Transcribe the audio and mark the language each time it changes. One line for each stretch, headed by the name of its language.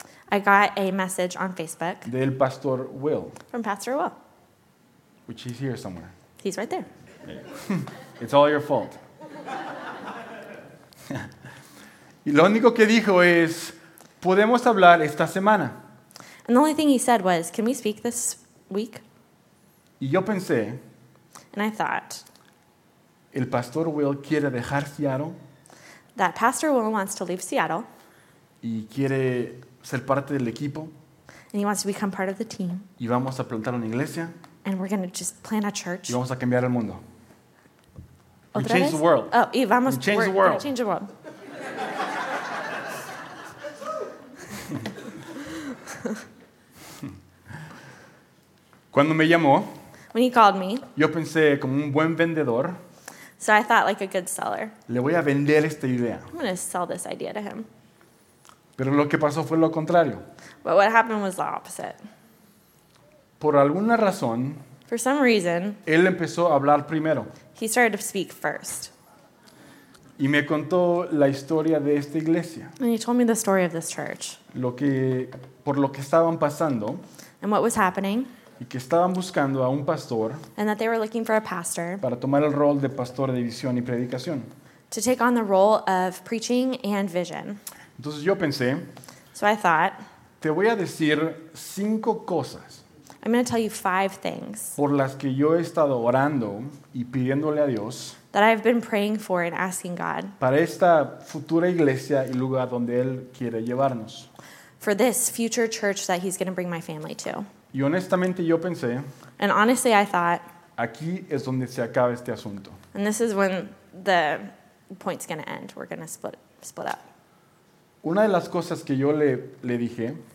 English: I got a message on Facebook
Spanish: del Pastor Will.
English: From Pastor Will, which is here somewhere. He's right there. Yeah. It's all your fault.
Spanish: Y lo único que dijo es, ¿podemos hablar esta semana?
English: And the only thing he said was, can we speak this week?
Spanish: Y yo pensé,
English: and I thought,
Spanish: ¿el Pastor Will quiere dejar Seattle?
English: That Pastor Will wants to leave Seattle.
Spanish: Y quiere ser parte del equipo.
English: And he wants to become part of the team.
Spanish: Y vamos a plantar una iglesia.
English: And we're going to just plant a church.
Spanish: Y vamos a cambiar el mundo. ¿Otra
English: we change
Spanish: vez?
English: The world.
Spanish: Oh, y vamos
English: we change the world. Change the world.
Spanish: Cuando me llamó,
English: when he called me,
Spanish: yo pensé como un buen vendedor.
English: So I thought like a good seller.
Spanish: Le voy a vender esta idea.
English: I'm going to sell this idea to him.
Spanish: Pero lo que pasó fue lo contrario.
English: But what happened was the opposite.
Spanish: Por alguna razón,
English: for some reason,
Spanish: él empezó a hablar primero.
English: He started to speak first.
Spanish: Y me contó la historia de esta iglesia.
English: And he told me the story of this church.
Spanish: Por lo que estaban pasando.
English: And what was happening.
Spanish: Y que estaban buscando a un pastor.
English: And that they were looking for a pastor.
Spanish: Para tomar el rol de pastor de visión y predicación.
English: To take on the role of preaching and vision.
Spanish: Entonces yo pensé.
English: So I thought,
Spanish: te voy a decir cinco cosas.
English: I'm going to tell you five things.
Spanish: Por las que yo he estado orando y pidiéndole a Dios.
English: That I've been praying for and asking God.
Spanish: Para esta futura iglesia y lugar donde Él quiere llevarnos.
English: For this future church that He's going to bring my family to.
Spanish: Y honestamente yo pensé.
English: And honestly I thought.
Spanish: Aquí es donde se acaba este asunto.
English: And this is when the point's going to end. We're going to split up.
Spanish: Una de las cosas que yo le dije.